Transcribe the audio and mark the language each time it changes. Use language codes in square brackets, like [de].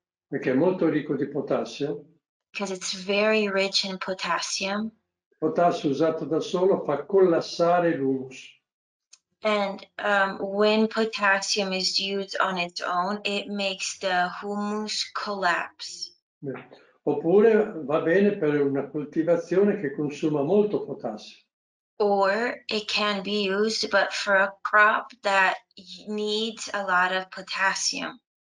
[it] Perché è molto ricco di potassio. [en] Because it's very rich in potassium. [it] Potassio usato da solo fa collassare l'humus. [en] And when potassium is used on its own, it makes the humus collapse. [it] Oppure va bene per una coltivazione che consuma molto potassio. [en] Or it can be used, but for a crop that needs a lot of potassium.